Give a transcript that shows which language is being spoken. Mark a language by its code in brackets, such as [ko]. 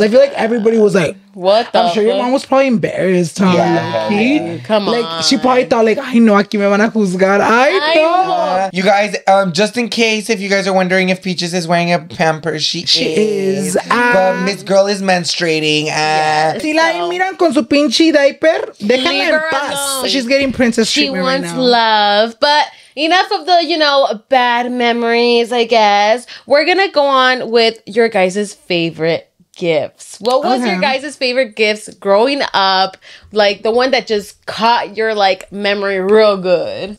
[en] I feel like everybody was like, what the I'm sure your mom was probably embarrassed, huh? Yeah. Like, come on. Like, she probably thought, like, I know [es] aquí me van a juzgar. [en] I know. You guys, just in case, if you guys are wondering if Peaches is wearing a pamper, she is. But Miss Girl is menstruating. [es] Si la miran con su pinche diaper, déjala en paz. [en] She's getting princess treatment right now. She wants love, but... Enough of the, you know, bad memories, I guess. We're going to go on with your guys' favorite gifts. What was your guys' favorite gifts growing up? Like, the one that just caught your, like, memory real good.